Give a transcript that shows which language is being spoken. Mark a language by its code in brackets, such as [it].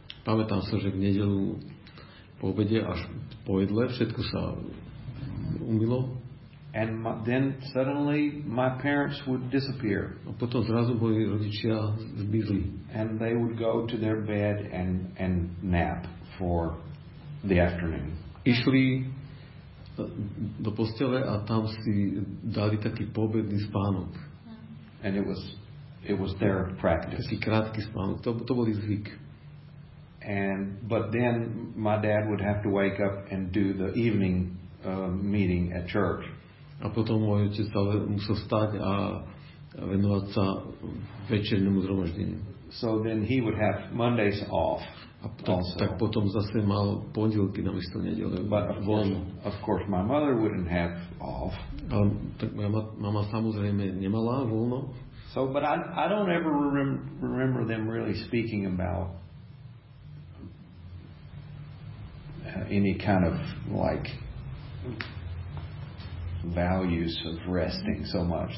[sk] Pamätám sa, že v nedeľu po obede až po jedle všetko sa umilo. [en] And then suddenly my parents would disappear. [sk] A potom zrazu moji rodičia zmizli. [en] And they would go to their bed and nap for the afternoon. [sk] Išli do postele a tam si dali taký poobedný spánok. [en] And it was their practice. [sk] Taký krátky spánok. To bol ich zvyk. [en] But then my dad would have to wake up and do the evening meeting at church. [sk] A potom môj otec musel stať a venovať sa večernému zhromaždeniu. [en] So then he would have Mondays off. [sk] A potom, tak potom zase mal pondelky namiesto nedele. [en] But of course my mother wouldn't have off. [sk] A tak moja mama samozrejme nemala voľno. [en] So but I don't ever remember them really speaking about any kind of like values of resting so much.